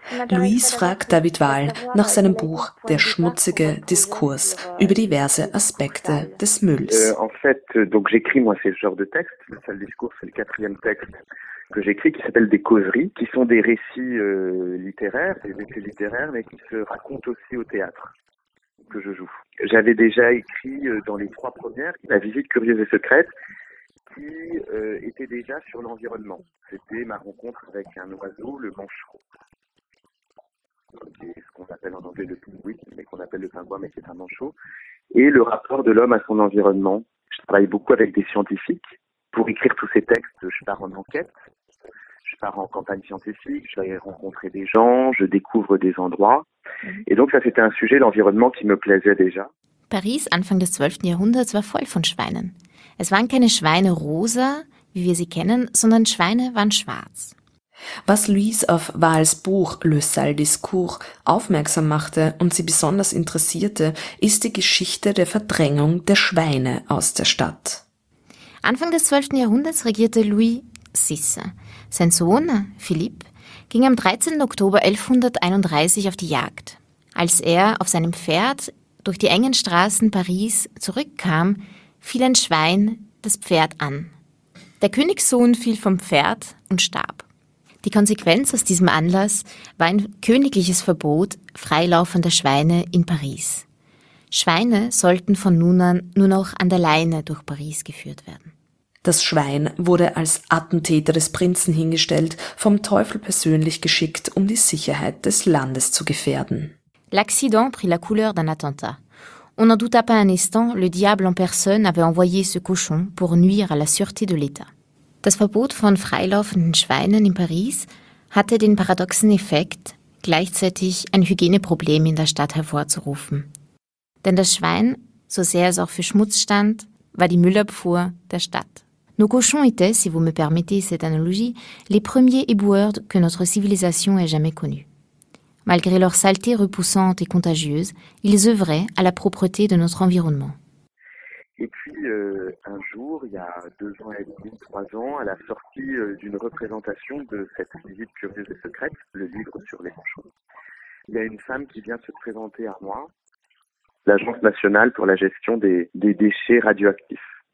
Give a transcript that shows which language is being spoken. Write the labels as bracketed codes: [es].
[de] Louise fragt David Wahl nach seinem Buch Der schmutzige Diskurs über diverse Aspekte des Mülls. [fr] En fait, donc j'écris moi ce genre de texte, le seul discours c'est le quatrième texte. Que j'écris, qui s'appelle des causeries, qui sont des récits littéraires, des récits littéraires, mais qui se racontent aussi au théâtre que je joue. J'avais déjà écrit dans les trois premières La visite curieuse et secrète, qui était déjà sur l'environnement. C'était ma rencontre avec un oiseau, le manchereau. C'est ce qu'on appelle en anglais le pingouin, mais qu'on appelle le pingouin, mais c'est un manchot. Et le rapport de l'homme à son environnement. Je travaille beaucoup avec des scientifiques. Pour écrire tous ces textes, je pars en enquête, je pars en campagne scientifique, je vais rencontrer des gens, je découvre des endroits. Et donc ça, c'était un sujet, l'environnement, qui me plaisait déjà. [de] Paris, Anfang des 12. Jahrhunderts, war voll von Schweinen. Es waren keine Schweine rosa, wie wir sie kennen, sondern Schweine waren schwarz. Was Louise auf Wahls Buch Le Sale Discours aufmerksam machte und sie besonders interessierte, ist die Geschichte der Verdrängung der Schweine aus der Stadt. Anfang des 12. Jahrhunderts regierte Louis Sisse. Sein Sohn, Philippe, ging am 13. Oktober 1131 auf die Jagd. Als er auf seinem Pferd durch die engen Straßen Paris zurückkam, fiel ein Schwein das Pferd an. Der Königssohn fiel vom Pferd und starb. Die Konsequenz aus diesem Anlass war ein königliches Verbot freilaufender Schweine in Paris. Schweine sollten von nun an nur noch an der Leine durch Paris geführt werden. Das Schwein wurde als Attentäter des Prinzen hingestellt, vom Teufel persönlich geschickt, um die Sicherheit des Landes zu gefährden. [fr] L'accident prit la couleur d'un attentat. On n'en douta pas un instant, le diable en personne avait envoyé ce cochon pour nuire à la sûreté de l'État. [de] Das Verbot von freilaufenden Schweinen in Paris hatte den paradoxen Effekt, gleichzeitig ein Hygieneproblem in der Stadt hervorzurufen. Denn das Schwein, so sehr es auch für Schmutz stand, war die Müllabfuhr der Stadt. [fr] Nos cochons étaient, si vous me permettez cette analogie, les premiers éboueurs que notre civilisation ait jamais connus. Malgré leur saleté repoussante et contagieuse, ils œuvraient à la propreté de notre environnement. Et puis, un jour, il y a 2 ans et demi, 3 ans, à la sortie d'une représentation de cette visite curieuse et secrète, le livre sur les manchots, il y a une femme qui vient se présenter à moi, l'Agence nationale pour la gestion des déchets radioactifs.